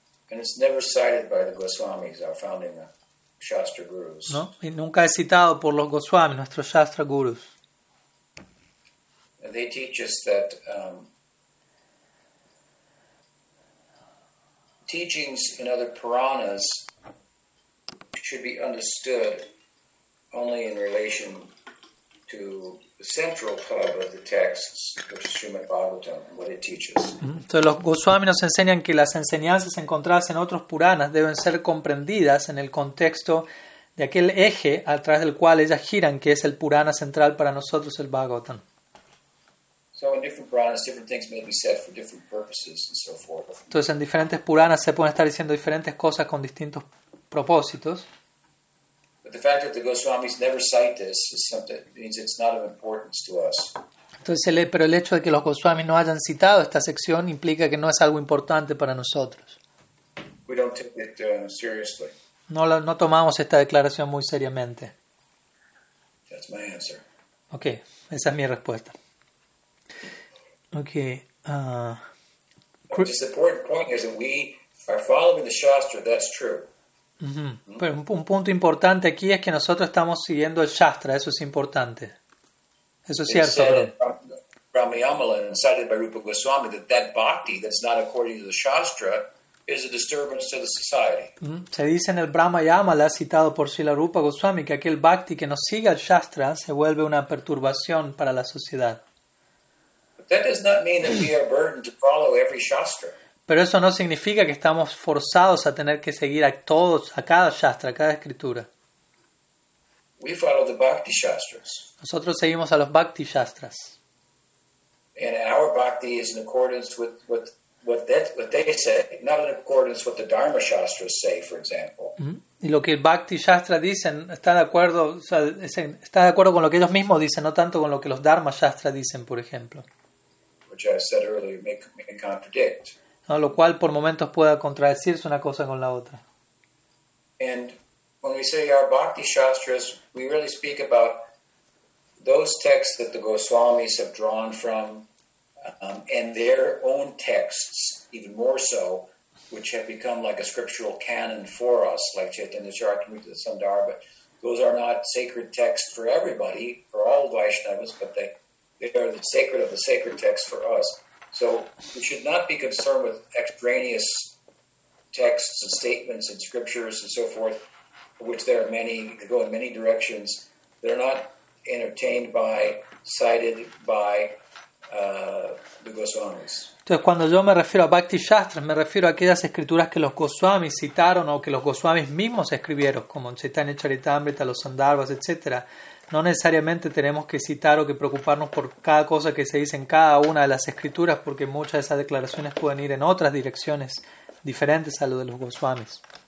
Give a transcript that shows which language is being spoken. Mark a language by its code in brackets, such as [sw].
[en] And it's never cited by the Goswamis, our founding Shastra Gurus. [es] ¿No? Y nunca es citado por los Goswamis, nuestros Shastra Gurus. [en] And they teach us that teachings in other Puranas should be understood only in relation to the central hub of the texts, which is Srimad Bhagavatam, what it teaches. [es] So, los Goswami nos enseñan que las enseñanzas encontradas en otros Puranas deben ser comprendidas en el contexto de aquel eje a través del cual ellas giran, que es el Purana central para nosotros, el Bhagavatam. [en] So in different Puranas, different things may be said for different purposes and so forth. [es] Entonces, en diferentes Puranas se pueden estar diciendo diferentes cosas con distintos propósitos. [en] But the fact that the Goswamis never cite this is something means it's not of importance to us. [es] Entonces, pero el hecho de que los Goswamis no hayan citado esta sección implica que no es algo importante para nosotros. [en] We don't take it seriously. [es] No tomamos esta declaración muy seriamente. [en] That's my answer. [es] Okay, esa es mi respuesta. Okay. [en] The important point is that we are following the Shastra, that's true. Mm-hmm. [es] Pero un punto importante aquí es que nosotros estamos siguiendo el Shastra, eso es importante. Eso es cierto. [en] Ramayamalan, cited by Rupa Goswami, that bhakti that's not according to the Shastra is a disturbance to the society. Mm-hmm. [es] Se dice en el Brahmayamala, citado por Srila Rupa Goswami, que aquel bhakti que no sigue el Shastra se vuelve una perturbación para la sociedad. [en] That does not mean that we are burdened to follow every shastra. [es] Pero eso no significa que estamos forzados a tener que seguir a todos, a cada shastra, a cada escritura. [en] We follow the bhakti shastras. [es] Nosotros seguimos a los bhakti shastras. [en] And our bhakti is in accordance with what they say, not in accordance with what the dharma shastras say, for example. [es] Y lo que el bhakti shastra dicen está de acuerdo, está de acuerdo con lo que ellos mismos dicen, no tanto con lo que los dharma shastras dicen, por ejemplo. [en] Which I said earlier, may contradict. [es] No, lo cual por momentos pueda contradecirse una cosa con la otra. [en] And when we say our bhakti shastras, we really speak about those texts that the Goswamis have drawn from, and their own texts, even more so, which have become like a scriptural canon for us, like Chaitanya Charitamrita, the Sundar, but those are not sacred texts for everybody, for all Vaishnavas, but they are the sacred of the sacred texts for us. So we should not be concerned with extraneous texts and statements and scriptures and so forth, which there are many, they go in many directions. They're not entertained by, cited by the Goswamis. [es] Entonces, cuando yo me refiero a Bhakti Shastras, me refiero a aquellas escrituras que los Goswamis citaron o que los Goswamis mismos escribieron, como Chaitanya Charitamrita, los Sandarvas, etc. No necesariamente tenemos que citar o que preocuparnos por cada cosa que se dice en cada una de las escrituras, porque muchas de esas declaraciones pueden ir en otras direcciones diferentes a lo de los Goswamis.